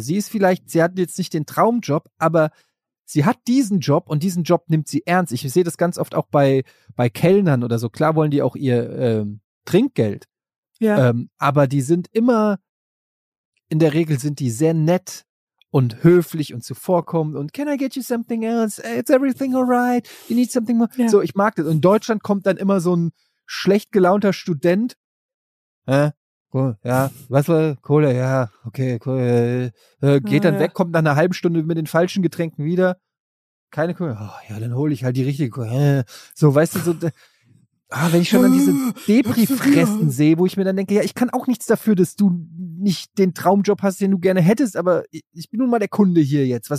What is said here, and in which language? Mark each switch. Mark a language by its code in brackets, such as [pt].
[de] Sie ist vielleicht, sie hat jetzt nicht den Traumjob, aber sie hat diesen Job und diesen Job nimmt sie ernst. Ich sehe das ganz oft auch bei Kellnern oder so. Klar wollen die auch ihr Trinkgeld. Ja. Aber die sind immer, in der Regel sind die sehr nett und höflich und zuvorkommend und [en] can I get you something else? It's everything alright. You need something more. Ja. [de] So, ich mag das. In Deutschland kommt dann immer so ein schlecht gelaunter Student. Ja, was war Kohle? Ja, okay, cool. Geht dann weg, kommt nach einer halben Stunde mit den falschen Getränken wieder. Keine Kohle. Oh, ja, dann hole ich halt die richtige Kohle. So, weißt du, so, wenn ich schon an diese Depri-Fressen sehe, wo ich mir dann denke, ja, ich kann auch nichts dafür, dass du nicht den Traumjob hast, den du gerne hättest, aber ich bin nun mal der Kunde hier jetzt.